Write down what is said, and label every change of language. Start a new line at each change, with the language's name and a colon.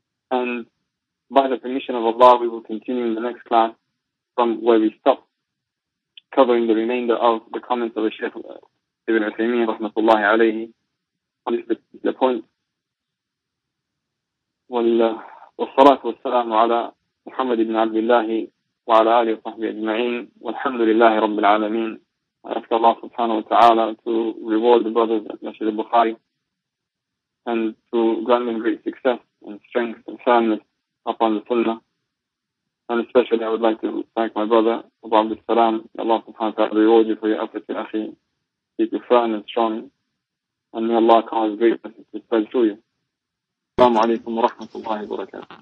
English: And by the permission of Allah, we will continue in the next class from where we stopped, covering the remainder of the comments of the Shaykh Ibn Uthaymeen rahmatullahi alayhi on this particular point.
Arabic: والصلاه والسلام على محمد بن عبد الله وعلى اله وصحبه اجمعين والحمد لله رب العالمين.
English: I ask Allah subhanahu wa ta'ala to reward the brothers at Masjid al-Bukhari and to grant them great success and strength and firmness upon the Sunnah. And especially I would like to thank my brother Abu Abdul Salam. Allah subhanahu wa ta'ala reward you for your efforts, akhi. Keep you firm and strong, and may Allah cause great blessings to spread through you.
Arabic: Assalamu alaikum wa rahmatullahi wa barakatuh.